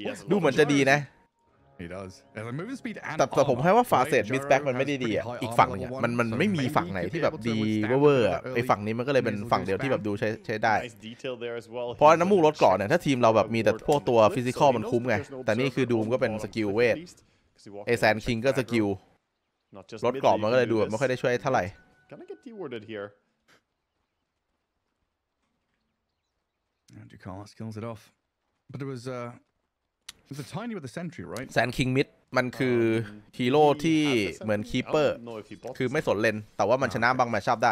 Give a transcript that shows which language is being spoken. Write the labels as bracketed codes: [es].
[th] ดูเหมือนจะดีนะแต่ผมให้ว่าฟาเซตมิสแบ็กมันไม่ดีอ่ะอีกฝั่งนึงมันไม่มีฝั่งไหนที่แบบดีเวอร์ไอฝั่งนี้มันก็เลยเป็นฝั่งเดียวที่แบบดูใช้ได้ เพราะน้ำมูกลดก่อนเนี่ยถ้าทีมเราแบบมีแต่พวกตัวฟิสิกอลมันคุ้มไงแต่นี่คือดูมก็เป็นสกิลเวทไอแซนคิงก็สกิลลดก่อนมันก็เลยดูไม่ค่อยได้ช่วยเท่าไหร่ [en] But it was a tiny with a sentry, right? [th] Sand King Mid มันคือฮีโร่ที่เหมือนคีเปอร์คือไม่สนเลนแต่ว่ามันชนะบางแมทช์ชอบได